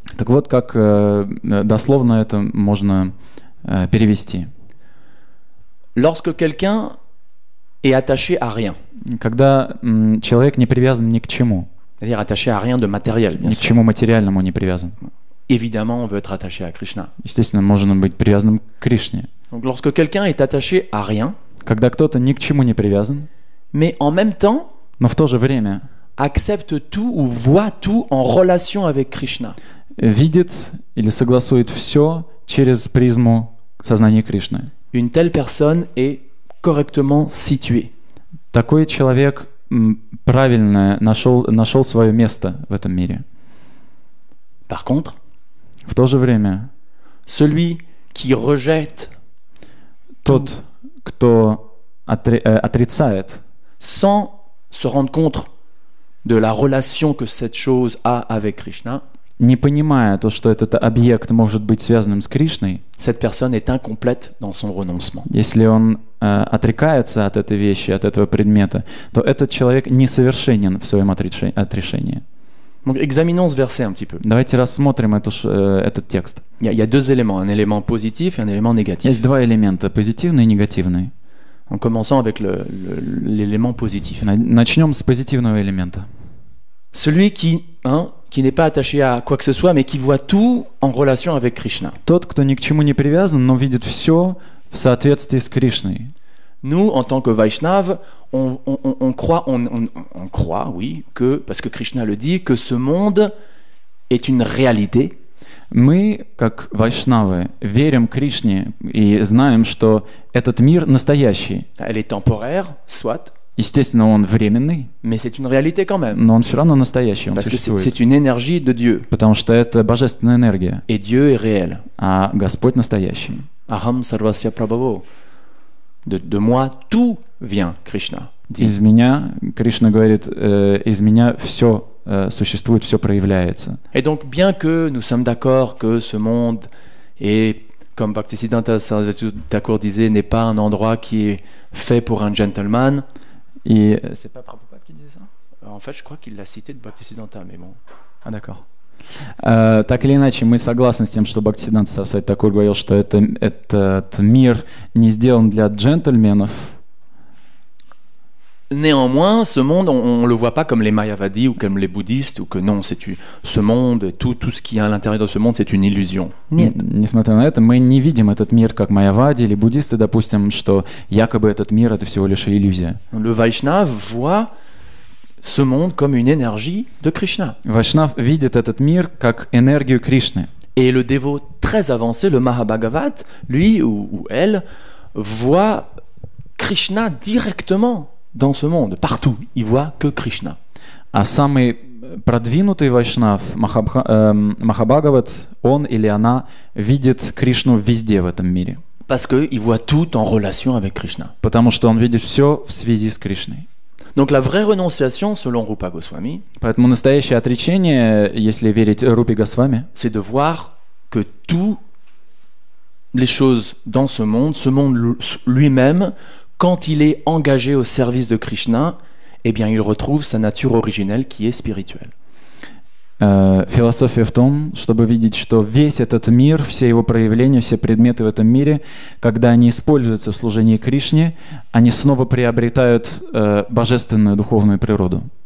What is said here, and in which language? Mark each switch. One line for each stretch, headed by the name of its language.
Russian: Так вот, как дословно это можно перевести.
French: Lorsque quelqu'un est attaché à rien.
Russian: Когда человек не привязан ни к чему.
French: C'est-à-dire attaché à rien de matériel, bien ni sûr.
Russian: К чему материальному не привязан.
French: Évidemment, on veut être attaché à Krishna.
Russian: Естественно, можно быть привязанным к Кришне.
French: Donc lorsque quelqu'un est attaché à rien.
Russian: Когда кто-то ни к чему не привязан.
French: Mais en même temps.
Russian: Но в то же время.
French: Accepte tout ou voit tout en relation avec Krishna.
Russian: Видит или согласует все через призму сознания Кришны.
French: Une telle personne est correctement située.
Russian: Такой человек правильно нашел свое место в этом мире.
French: Par contre,
Russian: в то же время,
French: celui qui rejette,
Russian: тот, кто отрицает,
French: sans se rendre compte de la relation que cette chose a avec Krishna,
Russian: не понимая то, что этот объект может быть связанным с Кришной,
French: cette personne est incomplète dans son renoncement.
Russian: Если он отрекается от этой вещи, от этого предмета, то этот человек несовершенен в своем отрешении.
French: Donc, examinons ce verset un petit peu.
Russian: Давайте рассмотрим этот текст.
French: Il y a deux éléments, un élément positif et un élément négatif.
Russian: Есть два элемента, позитивный и негативный.
French: En commençant avec l'élément positif.
Russian: Начнем с позитивного элемента.
French: Celui qui, hein, qui n'est pas attaché à quoi que ce soit, mais qui voit tout en relation avec Krishna.
Russian: Тот, кто ни к чему не привязан, но видит все в соответствии с Кришной.
French: Nous, en tant que Vaishnav, on croit, oui, que, parce que Krishna le dit, que ce monde est une réalité.
Russian: Мы, как вайшнавы, верим Кришне и знаем, что этот мир настоящий.
French: Elle est temporaire, soit.
Russian: Естественно, он временный.
French: Mais c'est une réalité quand même.
Russian: Но он все равно настоящий, он
French: Parce
Russian: существует.
French: Que c'est une énergie de Dieu.
Russian: Потому что это божественная энергия.
French: Et Dieu est réel.
Russian: А Господь настоящий.
Sanskrit: Aham sarvasya prabhavo.
French: De moi tout vient, Krishna.
Russian: Из меня, Кришна говорит, из меня все существует, все проявляется.
French: Et donc, bien que nous sommes d'accord que ce monde est, comme Bhaktisiddhanta Sarasvati Thakur disait, n'est pas un endroit qui est fait pour un gentleman. Et c'est pas Prabhupada qui disait ça? En fait, je crois qu'il l'a cité de Bhaktisiddhanta, mais bon. Ah, d'accord.
Russian: Так или иначе, мы согласны с тем, что Бхактисиддханта Сарасвати Такур говорил, что этот мир не сделан для джентльменов.
French: Néanmoins, ce monde, on le voit pas comme les Mayavadis ou comme les bouddhistes ou que non, c'est ce monde, tout ce qui est à l'intérieur de ce monde, c'est une illusion.
Russian: Нет, несмотря на это, мы не видим этот мир как Майявади или буддисты, допустим, что якобы этот мир это всего лишь иллюзия.
French: Le Vaishnav voit ce monde comme une énergie de Krishna.
Russian: Vaishnav видит этот мир как энергию Кришны.
French: Et le dévot très avancé, le Mahabhagavat, lui ou elle, voit Krishna directement. Dans ce monde, partout, il voit que Krishna.
Russian: А самый продвинутый вайшнав Махабхагават, он или она видит Кришну везде в этом мире.
French: Parce que il voit tout en relation avec Krishna.
Russian: Потому что он видит все в связи с Кришной.
French: Donc la vraie renonciation, selon Rupa Goswami.
Russian: Поэтому настоящее отречение, если верить Рупе Госвами.
French: C'est de voir que tout les choses dans ce monde lui-même. Quand il est engagé au service de Krishna, eh bien, il retrouve sa nature originelle qui est spirituelle.
Russian: Философия в том, чтобы видеть, что весь этот мир, все его проявления, все предметы в этом мире, когда они используются в служении Кришне, они снова приобретают божественную духовную природу.